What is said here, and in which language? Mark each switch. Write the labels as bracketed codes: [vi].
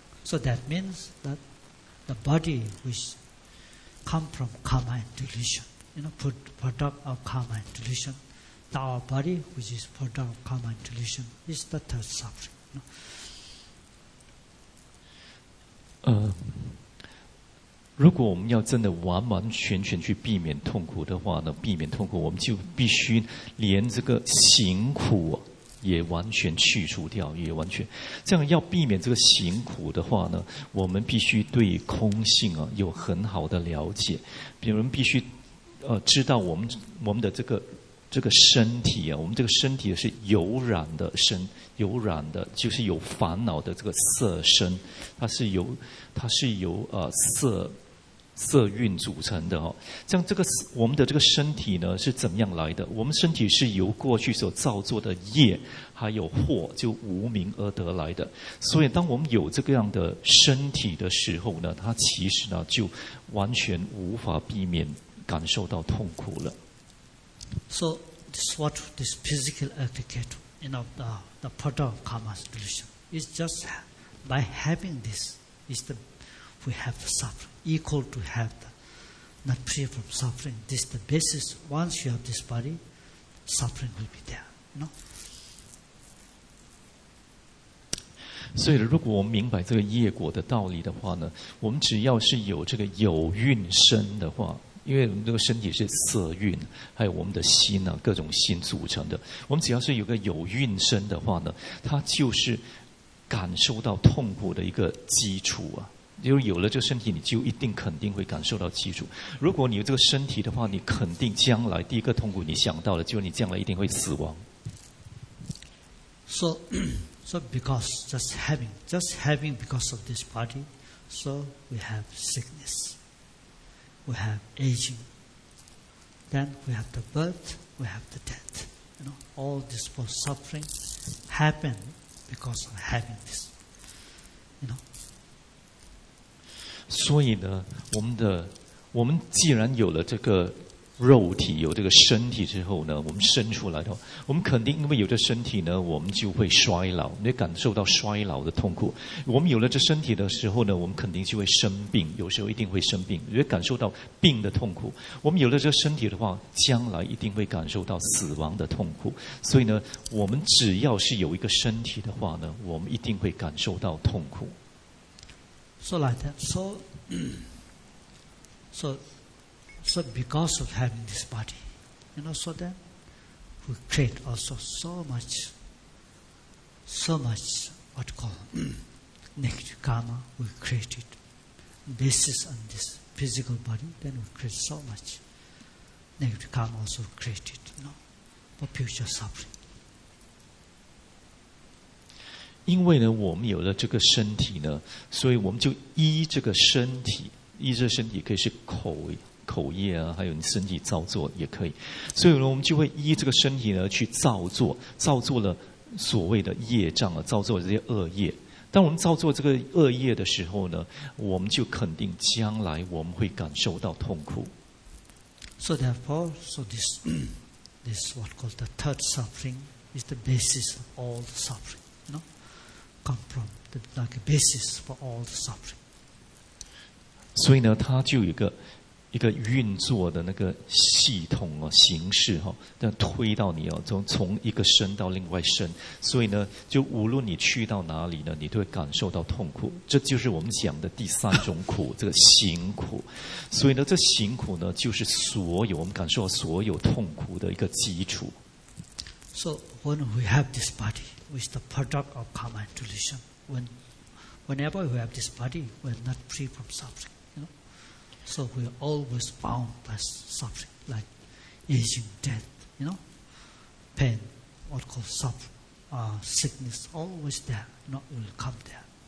[en] So that means that the body which come from karma and delusion, you know, product of karma and delusion, our body which is product of karma and delusion is the third suffering, you know. [zh] 如果我们要真的完完全全去避免痛苦的话呢，避免痛苦，我们就必须连这个行苦也完全去除掉，也完全这样。要避免这个行苦的话呢，我们必须对空性啊有很好的了解，比如必须知道我们的这个身体啊，我们这个身体是有染的，就是有烦恼的这个色身，它是由色蕴组成的哦。像这个我们的这个身体呢是怎么样来的？我们身体是由过去所造作的业还有祸，就无明而得来的。所以当我们有这个样的身体的时候呢，它其实呢就完全无法避免感受到痛苦了。 [en] So this physical aggregate, you know, the product of karma's delusion is just by having this, is the we have the suffering equal to have the not free from suffering. This is the basis. Once you have this body, suffering will be there. You know. [zh] 所以如果我们明白这个业果的道理的话呢，我们只要是有这个有蕴身的话，因为我们这个身体是色蕴，还有我们的心啊，各种心组成的，我们只要是有个有蕴身的话呢，它就是感受到痛苦的一个基础啊，就是有了这个身体，你就一定肯定会感受到基础。如果你有这个身体的话，你肯定将来第一个痛苦你想到了，就是你将来一定会死亡。 [en] So because just having because of this body, so we have sickness, we have aging, then we have the birth, we have the death. You know, all this for suffering happen because of having this. You know. [zh] 所以呢，我们既然有了这个肉体，有这个身体之后呢，我们生出来的话，我们肯定因为有这身体呢，我们就会衰老，你感受到衰老的痛苦。我们有了这身体的时候呢，我们肯定就会生病，有时候一定会生病，也感受到病的痛苦。我们有了这身体的话，将来一定会感受到死亡的痛苦。所以呢，我们只要是有一个身体的话呢，我们一定会感受到痛苦。 [en] So like that. So because of having this body, you know, so then we create also so much what call negative karma we created. Basis on this physical body, then we create so much negative karma also created, you know, for future suffering. [zh] 因为呢，我们有了这个身体呢，所以我们就依这个身体，依这个身体可以是口业啊，还有你身体造作也可以。所以呢，我们就会依这个身体呢去造作了所谓的业障啊，造作了这些恶业。当我们造作这个恶业的时候呢，我们就肯定将来我们会感受到痛苦。 [en] So therefore, so this what called the third suffering is the basis of all the suffering. Come from the like basis for all the suffering. [zh] 所以呢，它就有一个运作的那个系统啊，形式哈，但推到你哦，从一个身到另外身。所以呢，就无论你去到哪里呢，你都会感受到痛苦。这就是我们讲的第三种苦，这个行苦。所以呢，这行苦呢，就是所有我们感受到所有痛苦的一个基础。 [en] So when we have this body. Which is the product of karma and delusion. Whenever we have this body, we are not free from suffering. You know? So we are always bound by suffering, like aging, death, you know? Pain, what is called sickness, always there, not will come there.